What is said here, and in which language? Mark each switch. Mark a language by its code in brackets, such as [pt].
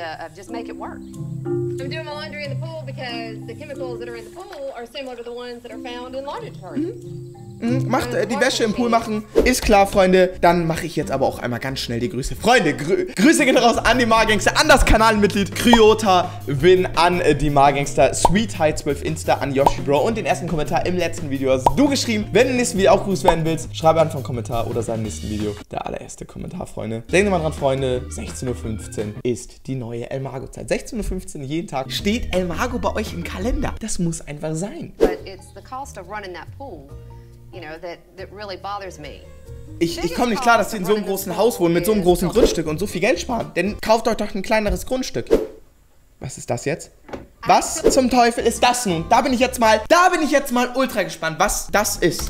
[en] I'm doing my laundry in the pool because the chemicals that are in the pool are similar to the ones that are found in laundry detergent. [de] Mm-hmm. Macht die Wäsche im Pool machen. Ist klar, Freunde. Dann mache ich jetzt aber auch einmal ganz schnell die Grüße. Freunde, Grüße gehen raus an die Magangster, an das Kanalmitglied Kryota Win, an die Magangster Sweetheart 12 Insta, an Yoshi Bro und den ersten Kommentar im letzten Video hast du geschrieben. Wenn du im nächsten Video auch grüßt werden willst, schreibe einfach einen Kommentar oder sein nächsten Video. Der allererste Kommentar, Freunde. Denk mal dran, Freunde. 16.15 Uhr ist die neue El Mago-Zeit. 16.15 Uhr jeden Tag steht El Mago bei euch im Kalender. Das muss einfach sein. [en] But it's the cost of running that pool. You know, that really bothers me. [de] Ich komme nicht klar, dass sie in so einem großen Haus wohnen mit so einem großen Grundstück und so viel Geld sparen. Denn kauft euch doch ein kleineres Grundstück. Was ist das jetzt? Was zum Teufel ist das nun? Da bin ich jetzt mal ultra gespannt, was das ist.